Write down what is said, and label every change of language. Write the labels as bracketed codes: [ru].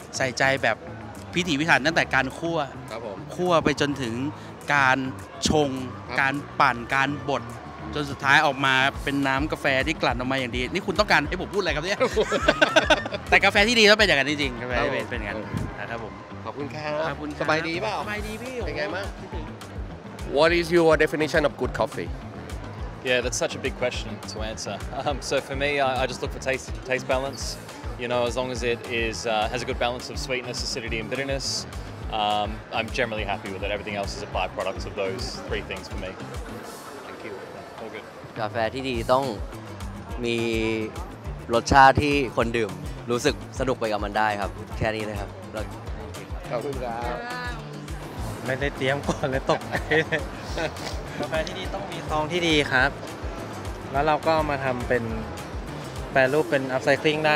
[th] ใส่ใจแบบพิถีพิถันตั้งแต่การคั่ว ครับผม คั่วไปจนถึงการชงการปั่นการบดจนสุดท้ายออกมาเป็นน้ำกาแฟที่กลั่นออกมาอย่างดีนี่คุณต้องการให้ผมพูดอะไรครับเนี่ย แต่กาแฟที่ดีต้องเป็นอย่างนั้นจริงๆกาแฟเป็นอย่างนั้นครับผม ขอบคุณครับ ขอบคุณ สบายดีเปล่า สบายดีพี่ เป็นไงบ้าง [en] What is your definition of good coffee? Yeah, that's such a big question to answer. So for me, I just look for taste balance. You know, as long as it is has a good balance of sweetness, acidity, and bitterness. I'm generally happy with it. Everything else is a byproduct of those three things for me. Thank you. Yeah, all good. [th] กาแฟที่ดีต้องมีรสชาติที่คนดื่มรู้สึกสนุกไปกับมันได้ครับแค่นี้เลยครับ ขอบคุณครับ ไม่ได้เตรียมก่อนเลยตกใจ กาแฟที่ดีต้องมีซองที่ดีครับแล้วเราก็มาทำเป็นแปรรูปเป็นอัพไซคลิ่งได